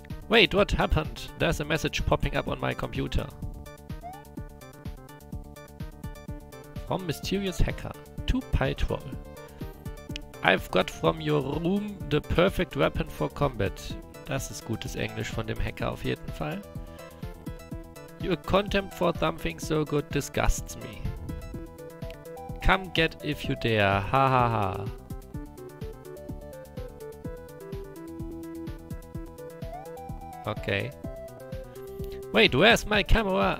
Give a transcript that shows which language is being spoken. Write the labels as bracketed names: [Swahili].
[English] Wait, what happened? There's a message popping up on my computer. From mysterious hacker to PyTroll. I've got from your room the perfect weapon for combat. [German] Das ist gutes Englisch von dem Hacker auf jeden Fall. [English] Your contempt for something so good disgusts me. Come get if you dare. Ha. Okay. Wait, where's my camera?